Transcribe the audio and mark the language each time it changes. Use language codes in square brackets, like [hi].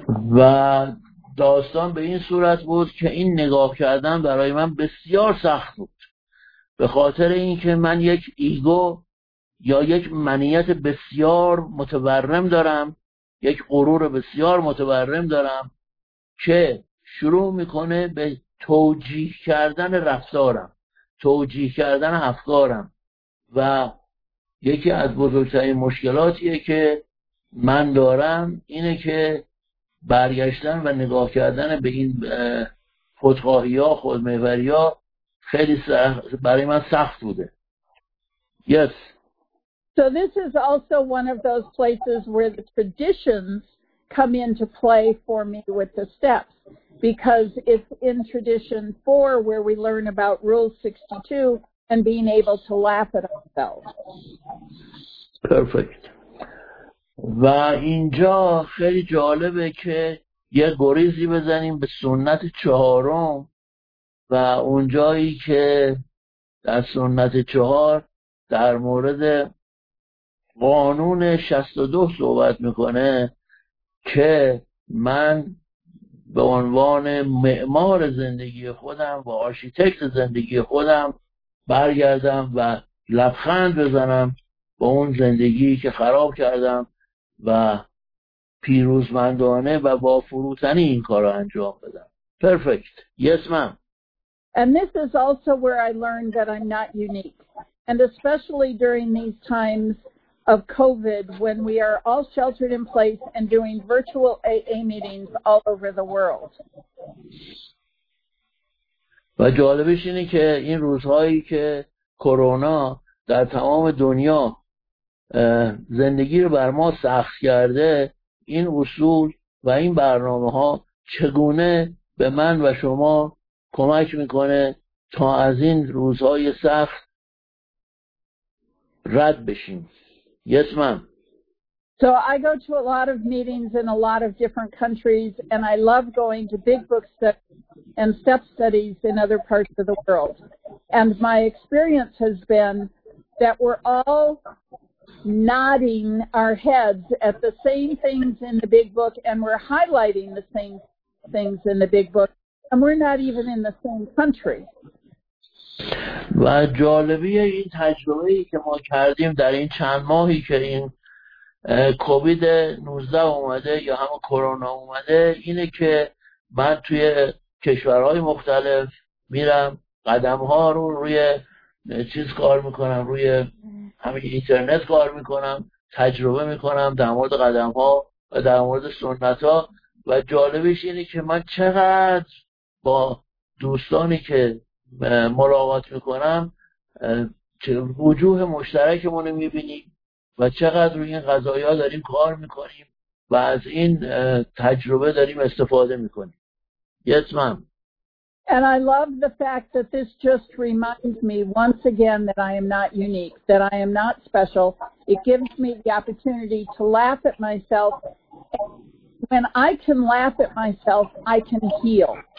[fa] و داستان به این صورت بود که این نگاه کردن برای من بسیار سخت بود به خاطر اینکه من یک ایگو یا یک منیت بسیار متورم دارم، یک غرور بسیار متورم دارم که شروع میکنه به توجیه کردن رفتارم، توجیه کردن افکارم و یکی از بزرگترین مشکلاتیه که من دارم اینه که برگشتن و نگاه کردن به این خودخواهی ها خودمحوری ها خیلی برای من سخت بوده. [en] Yes. So this is also one of those places where the traditions come into play for me with the steps, because it's in tradition 4 where we learn about rule 62 and being able to laugh at ourselves. Perfect. [fa] و اینجا خیلی جالبه که یه گریزی بزنیم به سنت 4 و اونجایی که در سنت 4 در مورد قانون 62 صحبت میکنه که من به عنوان معمار زندگی خودم و آرشیتکت زندگی خودم برگردم و لبخند بزنم با اون زندگی که خراب کردم و پیروزمندانه و با فروتنی این کار رو انجام بدم. [en] Perfect. Yes, ma'am. And this is also where I learned that I'm not unique. And especially during these times of COVID, when we are all sheltered in place and doing virtual AA meetings all over the world. [fa] و جالبش اینه که این روزهایی که کرونا در تمام دنیا زندگی رو بر ما سخت کرده، این اصول و این برنامه ها چگونه به من و شما کمک میکنه تا از این روزهای سخت رد بشیم. [en] Yes, ma'am. So I go to a lot of meetings in a lot of different countries, and I love going to big book studies and step studies in other parts of the world. And my experience has been that we're all nodding our heads at the same things in the big book, and we're highlighting the same things in the big book, and we're not even in the same country. [fa] و جالبی این تجربه‌ای که ما کردیم در این چند ماهی که این کووید 19 اومده یا هم کرونا اومده اینه که من توی کشورهای مختلف میرم، قدم‌ها رو روی چیز کار میکنم، روی همین اینترنت کار میکنم، تجربه میکنم در مورد قدم‌ها و در مورد سنت‌ها. و جالبش اینه که من چقدر با دوستانی که ملاقات میکنم وجوه مشترکمونو میبینیم و چقدر روی این قضایا داریم کار میکنیم و از این تجربه داریم استفاده میکنیم. [en] Yes, ma'am. And I love the fact that this just reminds me once again that I am not unique, that I am not special. It gives me the opportunity to laugh at myself. When I can laugh at myself, I can heal.